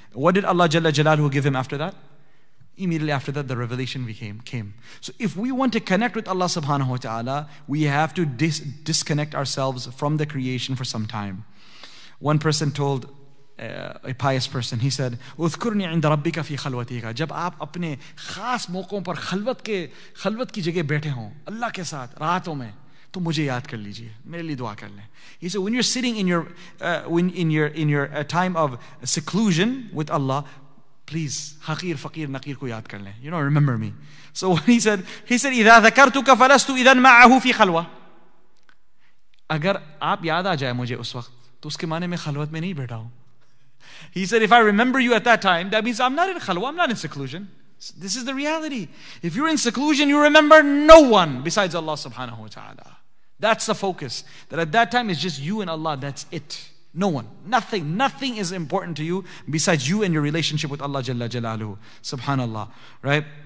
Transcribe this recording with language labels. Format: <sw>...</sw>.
<en>What did Allah Jalla Jalaluhu give him after that? Immediately after that, the revelation came. So if we want to connect with Allah subhanahu wa ta'ala, we have to disconnect ourselves from the creation for some time. One person told a pious person, he said,</en> <ar>اُذْكُرْنِي عِنْدَ رَبِّكَ فِي خَلْوَتِيكَ.</ar> <ur>جب آپ اپنے خاص موقعوں پر خلوت کی جگہ بیٹھے ہوں اللہ کے ساتھ راتوں میں, تو مجھے یاد کر لیجئے, میرے لیے دعا کر لیں.</ur> <en>He said, when you're sitting in your time of seclusion with Allah, please,</en> <ur>حقیر فقیر نقیر کو یاد کر لیں.</ur> <en>You don't remember me. So when he said,</en> <ar>اِذَا ذَكَرْتُكَ فَلَسْتُ اِذَنْ مَعَهُ فِي خَلْوَ.</ar> <ur>اگر آپ یاد آ جائے مجھے اس وقت, تو اس کے معنی میں خلوت میں نہیں بیٹھا ہوں.</ur> <en>He said, if I remember you at that time, that means I'm not in خلوة, I'm not in seclusion. This is the reality. If you're in seclusion, you remember no one besides Allah subhanahu wa ta'ala. That's the focus. That at that time, it's just you and Allah. That's it. No one. Nothing. Nothing is important to you besides you and your relationship with Allah jalla jalaluhu. Subhanallah. Right?</en>